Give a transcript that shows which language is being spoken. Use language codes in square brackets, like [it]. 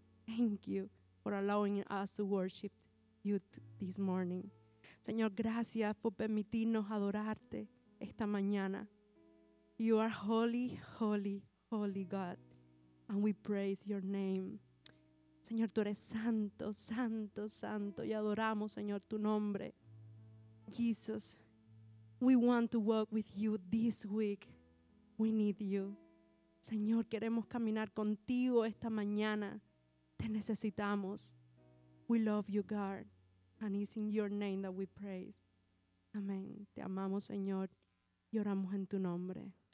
[en] Thank you for allowing us to worship you this morning. [es] Señor, gracias por permitirnos adorarte esta mañana. [en] You are holy, holy, holy God, and we praise your name. [es] Señor, tú eres santo, santo, santo, y adoramos, Señor, tu nombre. [en] Jesus, we want to walk with you this week. We need you. [es] Señor, queremos caminar contigo esta mañana. Te necesitamos. [en] We love you, God, and it's in your name that we praise. [es] Amén. Te amamos, Señor, y oramos en tu nombre.